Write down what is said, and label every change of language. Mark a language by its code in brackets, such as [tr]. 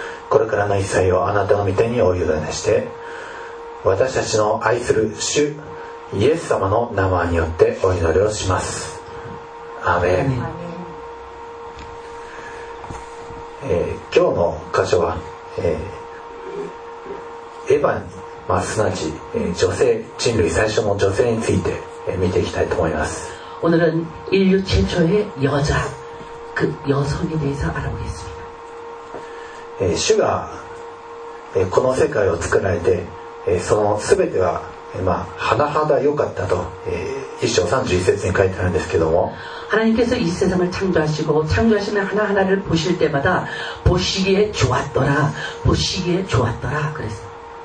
[ja] これからの一切をあなたの御手にお委ねして、私たちの愛する主イエス様の名前によってお祈りをします。アーメン。今日の箇所は、エヴァに、まあ、すなわち、女性、人類最初の女性について、見ていきたいと思います。 [ko] 오늘은인류최초의여자그여성에대해서알아보겠습니다 [ja] 主がこの世界を作られてその全ては、まあ、甚だ良かったと一章三十一節に書いてあるんですけども、 [ko] 하나님께서이세상을창조하시고창조하시는하나하나를보실때마다보시기에좋았더라보시기에좋았더라그랬어